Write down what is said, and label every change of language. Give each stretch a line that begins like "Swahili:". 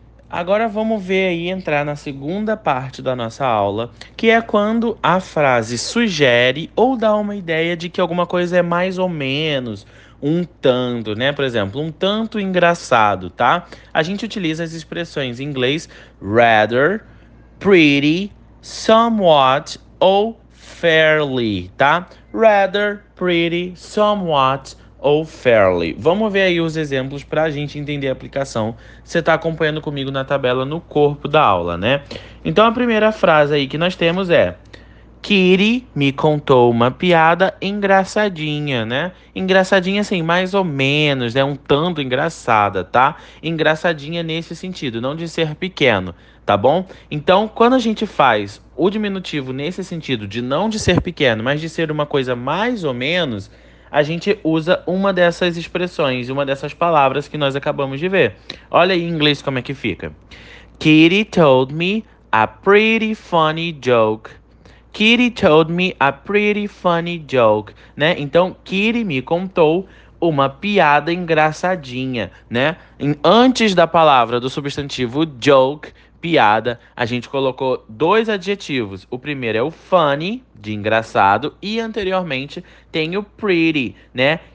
Portuguese: Agora vamos ver aí entrar na segunda parte da nossa aula, que é quando a frase sugere ou dá uma ideia de que alguma coisa é mais ou menos. Um tanto, né? Por exemplo, um tanto engraçado, tá? A gente utiliza as expressões em inglês rather, pretty, somewhat ou fairly, tá? Rather, pretty, somewhat ou fairly. Vamos ver aí os exemplos para a gente entender a aplicação. Você está acompanhando comigo na tabela no corpo da aula, né? Então a primeira frase aí que nós temos é: Kitty me contou uma piada engraçadinha, né? Engraçadinha assim, mais ou menos, né? Um tanto engraçada, tá? Engraçadinha nesse sentido, não de ser pequeno, tá bom? Então, quando a gente faz o diminutivo nesse sentido, de não de ser pequeno, mas de ser uma coisa mais ou menos, a gente usa uma dessas expressões, uma dessas palavras que nós acabamos de ver. Olha aí em inglês como é que fica.
English: Kitty told me a pretty funny joke. Kitty told me a pretty funny joke, né?
Portuguese: Então, Kitty me contou uma piada engraçadinha, né? Antes da palavra do substantivo joke, piada, a gente colocou dois adjetivos. O primeiro é o funny, de engraçado, e anteriormente tem o pretty, né?